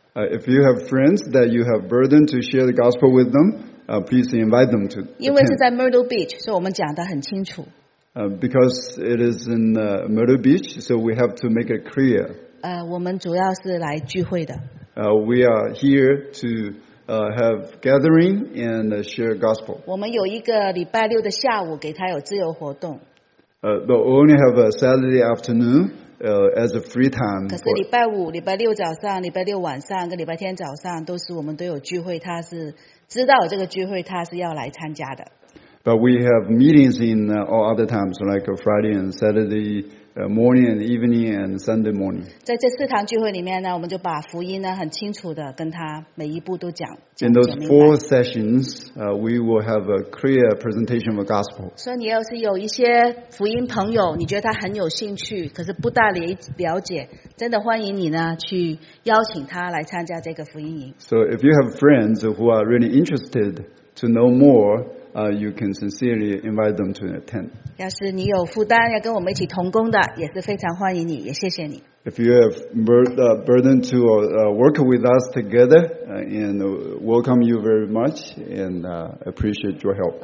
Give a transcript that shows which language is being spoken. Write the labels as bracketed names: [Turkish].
[English] If you have friends that you have burden to share the gospel with them, please invite them to. [Chinese] 因为是在 Myrtle Beach, 所以我们讲得很清楚。 [English] Because it is in Myrtle Beach, so we have to make it clear. [Chinese] 我们主要是来聚会的。 [English] We are here to have gathering and share gospel. [Chinese] 我们有一个礼拜六的下午给他有自由活动。 [English] But we only have a Saturday afternoon as a free time. [Chinese] 可是礼拜五、礼拜六早上、礼拜六晚上跟礼拜天早上都是我们都有聚会，他是知道这个聚会他是要来参加的。 [English] But we have meetings in all other times, like Friday and Saturday morning and evening and Sunday morning. [Chinese] 在这四堂聚会里面呢，我们就把福音呢很清楚的跟他每一步都讲。 [English] In those four sessions, we will have a clear presentation of the gospel. [Chinese] 所以你要是有一些福音朋友，你觉得他很有兴趣，可是不大了解，真的欢迎你呢去邀请他来参加这个福音营。 [English] So if you have friends who are really interested to know more. You can sincerely invite them to attend. [Chinese] 要是你有负担要跟我们一起同工的，也是非常欢迎你，也谢谢你。 [English] If you have burden to work with us together, and welcome you very much, and appreciate your help.